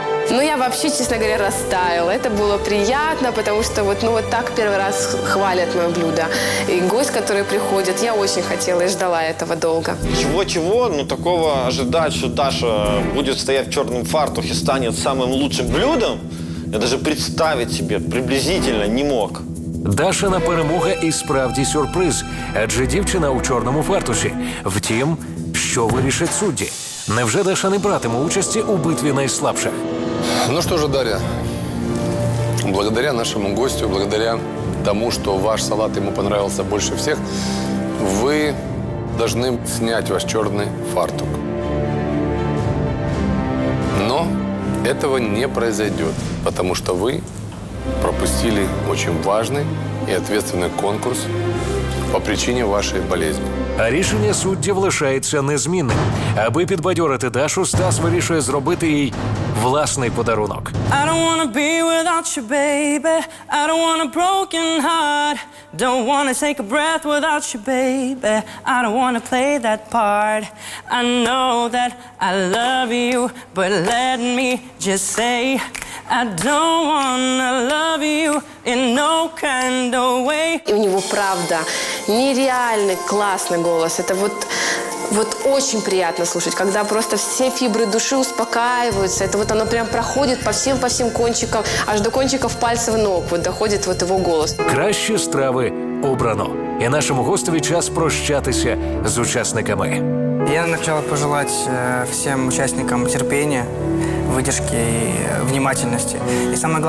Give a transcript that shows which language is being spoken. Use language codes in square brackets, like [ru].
[ru] Ну, я вообще, честно говоря, растаяла. Это было приятно, потому что вот, ну, вот так первый раз хвалят мое блюдо. И гость, который приходит, я очень хотела и ждала этого долго. Чего-чего, но такого ожидать, что Даша будет стоять в черном фартухе и станет самым лучшим блюдом, я даже представить себе приблизительно не мог. [uk] Дашина перемога і справді сюрприз, адже дівчина у чорному фартуші. Втім, що вирішать судді? Невже Даша не братиме участі у битві найслабших? [ru] Ну что же, Дарья, благодаря нашему гостю, благодаря тому, что ваш салат ему понравился больше всех, вы должны снять ваш черный фартук. Но этого не произойдет, потому что вы пропустили очень важный и ответственный конкурс по причине вашей болезни. [uk] А рішення суддів лишається незмінним. Аби підбадьорити Дашу, Стас вирішує зробити їй власний подарунок. [en] I don't wanna be without you, baby. I don't want a broken heart. Don't wanna take a breath without you, baby. I don't wanna play that part. I know that I love you, but let me just say I don't wanna love you in no kind of way. [uk] І у нього правда нереальний класний голос. Це вот. [ru] Вот очень приятно слушать, когда просто все фибры души успокаиваются. Это вот оно прям проходит по всем кончикам, аж до кончиков пальцев ног вот доходит вот его голос. [uk] Кращі страви обрано. І нашому гостеві час прощатися з учасниками. Я хотів пожелати всім учасникам терпіння, витримки і внимательності. І [ru] самое главное,